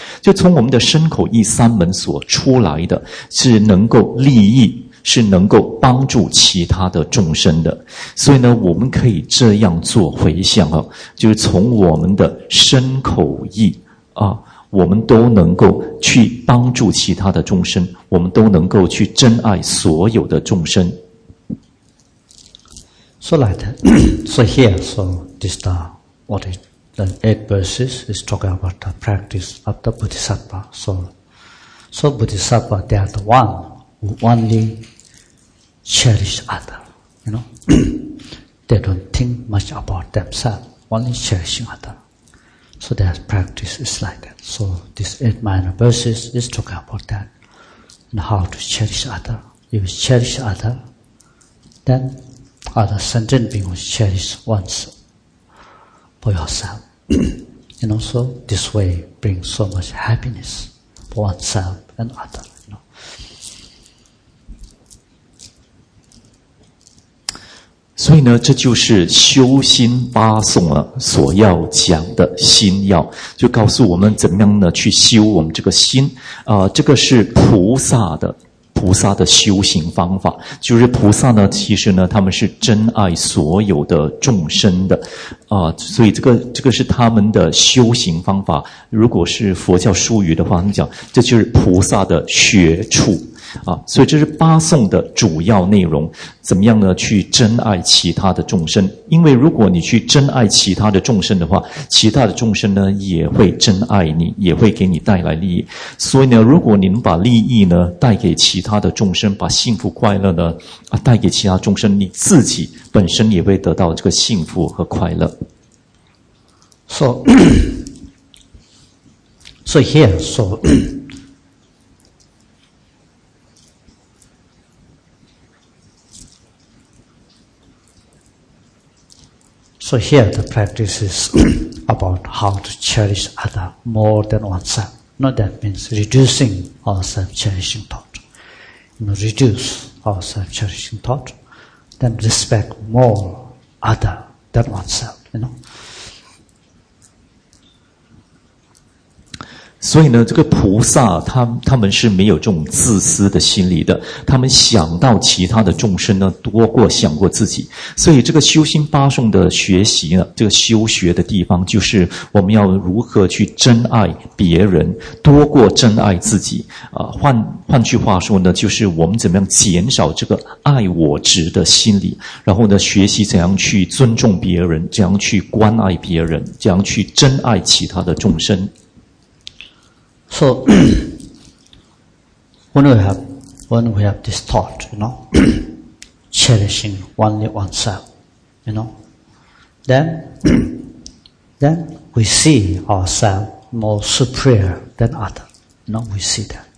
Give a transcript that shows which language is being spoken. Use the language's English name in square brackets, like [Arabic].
[Chinese] 就从我们的身口意三门所出来的，是能够利益，是能够帮助其他的众生的。所以呢，我们可以这样做回向啊，就是从我们的身口意啊，我们都能够去帮助其他的众生，我们都能够去珍爱所有的众生。 [English] So like that. So here, so this the what is the eight verses is talking about the practice of the Bodhisattva. So Bodhisattva, they are the one who only. Cherish other, you know. They don't think much about themselves, only cherishing other. So their practice is like that. So this eight minor verses is talking about that. And how to cherish other. If you cherish other, then other sentient beings will cherish once for yourself. You know, so this way brings so much happiness for oneself and other. [Chinese] 所以呢，这就是修心八颂啊所要讲的心要，就告诉我们怎么样呢去修我们这个心啊，这个是菩萨的修行方法，就是菩萨呢，其实呢，他们是珍爱所有的众生的啊，所以这个是他们的修行方法。如果是佛教术语的话，他们讲这就是菩萨的学处。啊，所以这是八颂的主要内容，怎么样呢？去珍爱其他的众生，因为如果你去珍爱其他的众生的话，其他的众生呢也会珍爱你，也会给你带来利益。所以呢，如果你能把利益呢带给其他的众生，把幸福快乐呢啊带给其他众生，你自己本身也会得到这个幸福和快乐。 [English] So here, so so here the practice is about how to cherish other more than oneself. No, that means reducing our self-cherishing thought. You know, reduce our self-cherishing thought, then respect more other than oneself. You know. [Chinese] 所以呢，这个菩萨他们是没有这种自私的心理的，他们想到其他的众生呢，多过想过自己。所以这个修心八颂的学习呢，这个修学的地方就是我们要如何去珍爱别人，多过珍爱自己。啊，换句话说呢，就是我们怎么样减少这个爱我执的心理，然后呢，学习怎样去尊重别人，怎样去关爱别人，怎样去珍爱其他的众生。 [English] So, when we have this thought, you know, cherishing only oneself, you know, then we see ourselves more superior than others. You know, we see that.